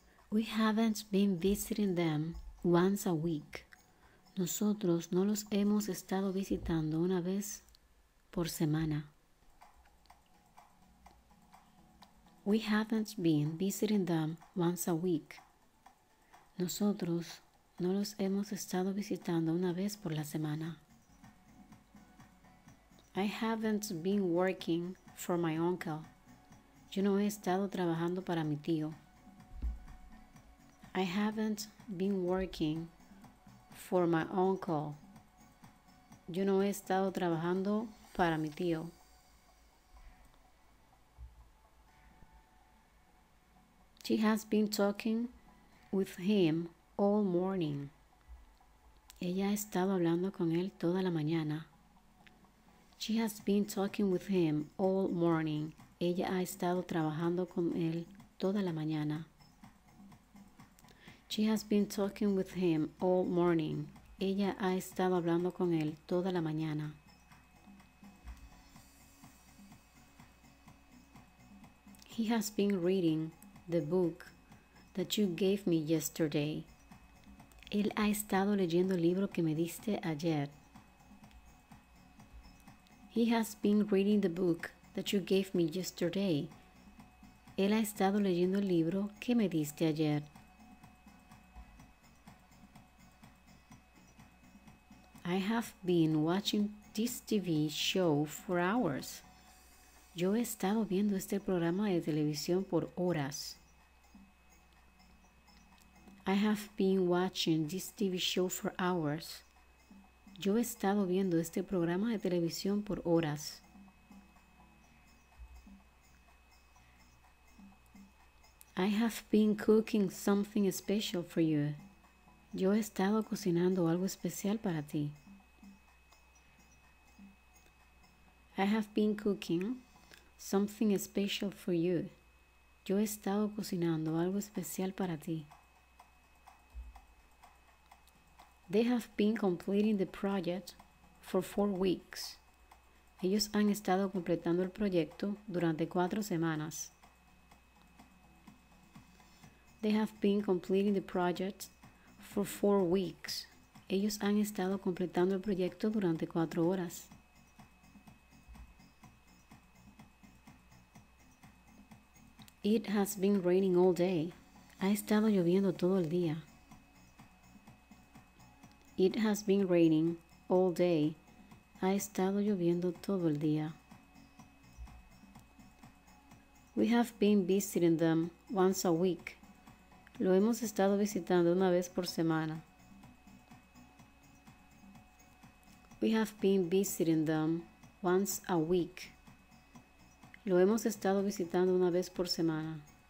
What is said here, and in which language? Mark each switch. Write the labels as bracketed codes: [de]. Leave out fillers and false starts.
[en] We haven't been visiting them once a week. [es] Nosotros no los hemos estado visitando una vez por semana. [en] We haven't been visiting them once a week. [es] Nosotros no los hemos estado visitando una vez por la semana. [en] I haven't been working for my uncle. [es] Yo no he estado trabajando para mi tío. [en] I haven't been working for my uncle. [es] Yo no he estado trabajando para mi tío. [en] She has been talking with him all morning. [es] Ella ha estado hablando con él toda la mañana. [en] She has been talking with him all morning. [es] Ella ha estado trabajando con él toda la mañana. [en] She has been talking with him all morning. [es] Ella ha estado hablando con él toda la mañana. [en] He has been reading the book that you gave me yesterday. [es] Él ha estado leyendo el libro que me diste ayer. [en] He has been reading the book that you gave me yesterday. [es] Él ha estado leyendo el libro que me diste ayer. [en] I have been watching this TV show for hours. [es] Yo he estado viendo este programa de televisión por horas. [en] I have been watching this TV show for hours. [es] Yo he estado viendo este programa de televisión por horas. [en] I have been cooking something special for you. [es] Yo he estado cocinando algo especial para ti. [en] I have been cooking something special for you. [es] Yo he estado cocinando algo especial para ti. [en] They have been completing the project for 4 weeks. [es] Ellos han estado completando el proyecto durante 4 semanas. [en] They have been completing the project for 4 weeks. [es] Ellos han estado completando el proyecto durante 4 horas. [en] It has been raining all day. [es] Ha estado lloviendo todo el día. [en] It has been raining all day. [es] Ha estado lloviendo todo el día. [en] We have been visiting them once a week. [es] Lo hemos estado visitando una vez por semana. [en] We have been visiting them once a week. [es] Lo hemos estado visitando una vez por semana.